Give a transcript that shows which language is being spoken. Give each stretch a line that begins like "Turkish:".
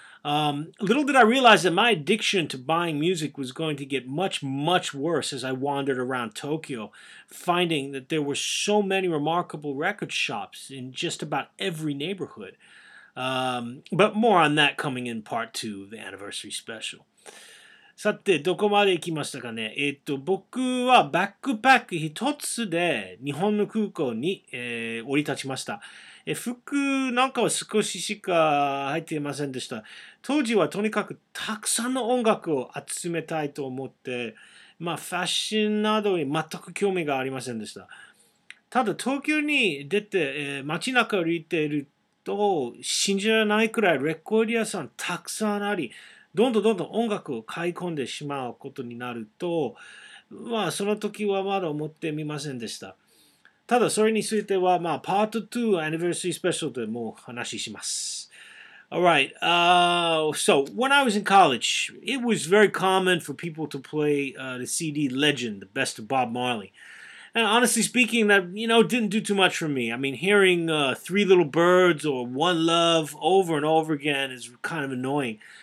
English: Little did I realize that my addiction to buying music was going to get much, much worse as I wandered around Tokyo, finding that there were so many remarkable record shops in just about every neighborhood. But more on that coming in part two of the anniversary special.
Japanese: さて、どこまで行きましたかね。僕はバックパック一つで日本の空港に、降り立ちました。服なんかは少ししか入っていませんでした。当時はとにかくたくさんの音楽を集めたいと思って、まあファッションなどに全く興味がありませんでした。ただ東京に出て、街中を歩いていると、信じられないくらいレコード屋さんたくさんあり、どんどんどんどん音楽を買い込んでしまうことになると、まあその時はまだ思ってみませんでした。ただそれについてはまあパート2アニバーサリースペシャルでもう話します。
English: Alright, so when I was in college, it was very common for people to play the CD Legend, The Best of Bob Marley. And honestly speaking, that, you know, didn't do too much for me. I mean, hearing Three Little Birds or One Love over and over again is kind of annoying.